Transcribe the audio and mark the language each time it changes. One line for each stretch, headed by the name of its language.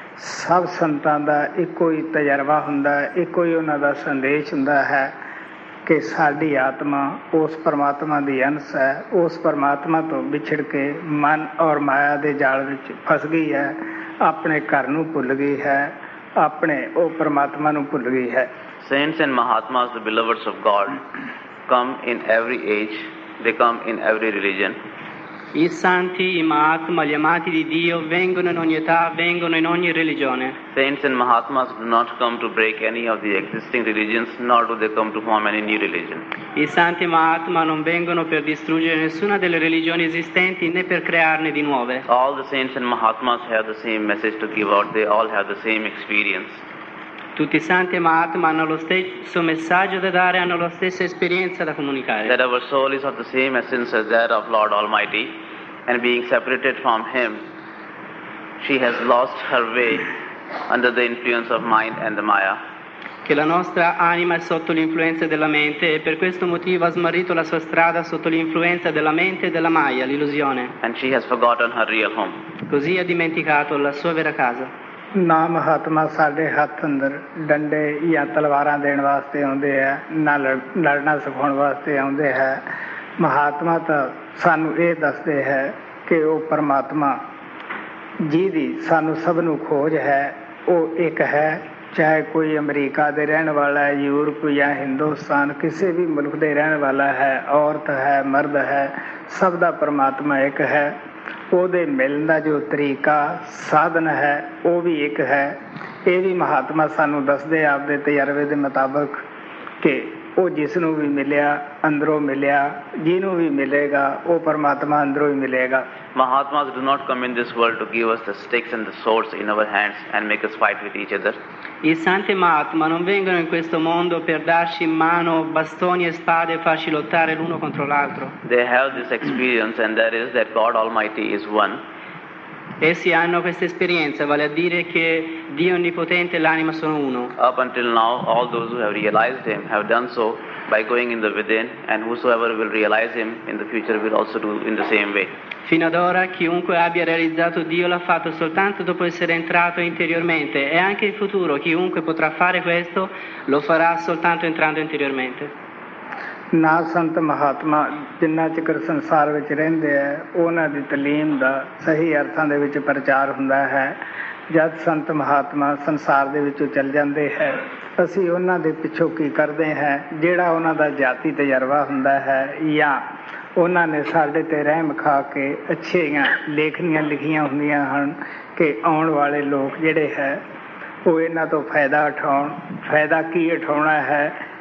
Punjabi: ਸਭ ਸੰਤਾਂ ਦਾ ਇੱਕੋ ਹੀ ਤਜਰਬਾ ਹੁੰਦਾ ਇੱਕੋ ਹੀ ਉਹਨਾਂ ਦਾ ਸੰਦੇਸ਼ ਹੁੰਦਾ ਹੈ ਕਿ ਸਾਡੀ ਆਤਮਾ ਉਸ ਪਰਮਾਤਮਾ ਦੀ ਅੰਸ ਹੈ ਉਸ ਪਰਮਾਤਮਾ ਤੋਂ ਵਿਛੜ ਕੇ ਮਨ ਔਰ ਮਾਇਆ ਦੇ ਜਾਲ ਵਿੱਚ ਫਸ ਗਈ ਹੈ ਆਪਣੇ ਘਰ ਨੂੰ ਭੁੱਲ ਗਈ ਹੈ ਆਪਣੇ ਉਹ ਪਰਮਾਤਮਾ ਨੂੰ ਭੁੱਲ ਗਈ ਹੈ
English: Saints and Mahatmas, the beloveds of God, come in every age, they come in every religion.
Italian: I santi, I mahatma, gli amati di Dio, vengono in ogni età, vengono in ogni religione.
English: Saints and Mahatmas do not come to break any of the existing religions, nor do they come to form any new religion.
Italian: I santi mahatma non vengono per distruggere nessuna delle religioni esistenti, né per crearne di nuove.
English: All the saints and Mahatmas have the same message to give out, they all have the same experience.
Italian: Tutti i santi e Mahatma hanno lo stesso messaggio da dare, hanno la stessa esperienza da comunicare.
English: That our soul is of the same essence as that of Lord Almighty, and being separated from Him, she has lost her way under the influence of mind and the Maya.
Italian: Che la nostra anima è sotto l'influenza della mente e per questo motivo ha smarrito la sua strada sotto l'influenza della mente e della Maya, l'illusione.
English: And she has forgotten her real home.
Italian: Così ha dimenticato la sua vera casa.
Punjabi: ਨਾ ਮਹਾਤਮਾ ਸਾਡੇ ਹੱਥ ਅੰਦਰ ਡੰਡੇ ਜਾਂ ਤਲਵਾਰਾਂ ਦੇਣ ਵਾਸਤੇ ਆਉਂਦੇ ਹੈ ਨਾ ਲੜਨਾ ਸਿਖਾਉਣ ਵਾਸਤੇ ਆਉਂਦੇ ਹੈ ਮਹਾਤਮਾ ਤਾਂ ਸਾਨੂੰ ਇਹ ਦੱਸਦੇ ਹੈ ਕਿ ਉਹ ਪਰਮਾਤਮਾ ਜਿਹਦੀ ਸਾਨੂੰ ਸਭ ਨੂੰ ਖੋਜ ਹੈ ਉਹ ਇੱਕ ਹੈ ਚਾਹੇ ਕੋਈ ਅਮਰੀਕਾ ਦੇ ਰਹਿਣ ਵਾਲਾ ਹੈ ਯੂਰਪ ਜਾਂ ਹਿੰਦੁਸਤਾਨ ਕਿਸੇ ਵੀ ਮੁਲਕ ਦੇ ਰਹਿਣ ਵਾਲਾ ਹੈ ਔਰਤ ਹੈ ਮਰਦ ਹੈ ਸਭ ਦਾ ਪਰਮਾਤਮਾ ਇੱਕ ਹੈ ਉਹਦੇ ਮਿਲਣ ਦਾ ਜੋ ਤਰੀਕਾ ਸਾਧਨ ਹੈ ਉਹ ਵੀ ਇੱਕ ਹੈ ਇਹ ਵੀ ਮਹਾਤਮਾ ਸਾਨੂੰ ਦੱਸਦੇ ਆਪਦੇ ਤਜਰਬੇ ਦੇ ਮੁਤਾਬਕ ਕਿ ਉਹ ਜਿਸ ਨੂੰ ਵੀ ਮਿਲਿਆ ਅੰਦਰੋਂ ਮਿਲਿਆ ਜਿਹਨੂੰ ਵੀ ਮਿਲੇਗਾ ਉਹ ਪਰਮਾਤਮਾ ਅੰਦਰੋਂ ਹੀ ਮਿਲੇਗਾ
English: mahatma do not come in this world to give us the sticks and the swords in our hands and make us fight with each other
Italian: I santi Mahatma non vengono in questo mondo per darci in mano bastoni e spade e farci lottare l'uno contro l'altro.
English: They have this experience and that is that God Almighty is one.
Italian: Essi hanno questa esperienza, vale a dire che Dio Onnipotente e l'anima sono uno.
English: Up until now, all those who have realized Him have done so by going in the within and whosoever will realize Him in the future will also do in the same way.
Italian: Fino ad ora chiunque abbia realizzato Dio l'ha fatto soltanto dopo essere entrato interiormente e anche in futuro chiunque potrà fare questo lo farà soltanto entrando interiormente.
Punjabi: ਨਾ ਸੰਤ ਮਹਾਤਮਾ ਜਿੰਨਾ ਚਿਕਰ ਸੰਸਾਰ ਵਿੱਚ ਰਹਿੰਦੇ ਹੈ ਉਹਨਾਂ ਦੀ ਤਲੀਮ ਦਾ ਸਹੀ ਅਰਥਾਂ ਦੇ ਵਿੱਚ ਪ੍ਰਚਾਰ ਹੁੰਦਾ ਹੈ ਜਦ ਸੰਤ ਮਹਾਤਮਾ ਸੰਸਾਰ ਦੇ ਵਿੱਚੋਂ ਚੱਲ ਜਾਂਦੇ ਹੈ ਅਸੀਂ ਉਹਨਾਂ ਦੇ ਪਿੱਛੋਂ ਕੀ ਕਰਦੇ ਹੈ ਜਿਹੜਾ ਉਹਨਾਂ ਦਾ ਜਾਤੀ ਤਜਰਬਾ ਹੁੰਦਾ ਹੈ ਜਾਂ ਉਹਨਾਂ ਨੇ ਸਾਡੇ 'ਤੇ ਰਹਿਮ ਖਾ ਕੇ ਅੱਛੀਆਂ ਲੇਖਣੀਆਂ ਲਿਖੀਆਂ ਹੁੰਦੀਆਂ ਹਨ ਕਿ ਆਉਣ ਵਾਲੇ ਲੋਕ ਜਿਹੜੇ ਹੈ ਉਹ ਇਹਨਾਂ ਤੋਂ ਫਾਇਦਾ ਉਠਾਉਣ ਫਾਇਦਾ ਕੀ ਉਠਾਉਣਾ ਹੈ